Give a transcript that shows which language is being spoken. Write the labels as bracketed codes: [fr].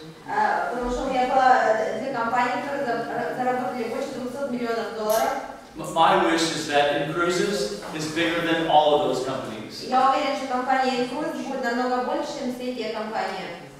[ru] Потому что у меня было две компании, которые заработали больше 200 миллионов долларов. [en] My wish is that Incruises is bigger than all of those companies. [ru] Я уверен, что компания Incruises будет намного больше, чем все эти компании.